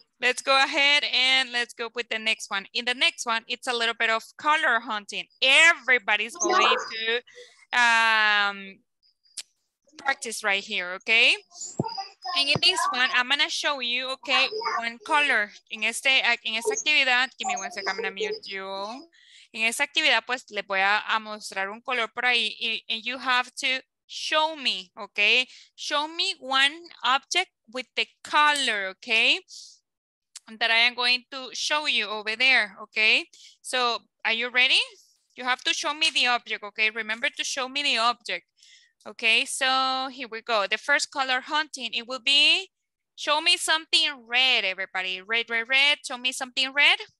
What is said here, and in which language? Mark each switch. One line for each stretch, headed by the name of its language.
English: Let's go ahead and let's go with the next one. In the next one, it's a little bit of color hunting. Everybody's going to practice right here, okay? And in this one, I'm gonna show you, okay, one color.
Spanish: En esta actividad,
English: give me one second, I'm gonna mute you all.
Spanish: En esta actividad, pues, le voy a mostrar un color por ahí.
English: And you have to show me, okay? Show me one object with the color, okay? That I am going to show you over there, okay? So, are you ready? You have to show me the object, okay? Remember to show me the object. Okay, so here we go. The first color hunting, it will be, show me something red, everybody. Red, red, red. Show me something red.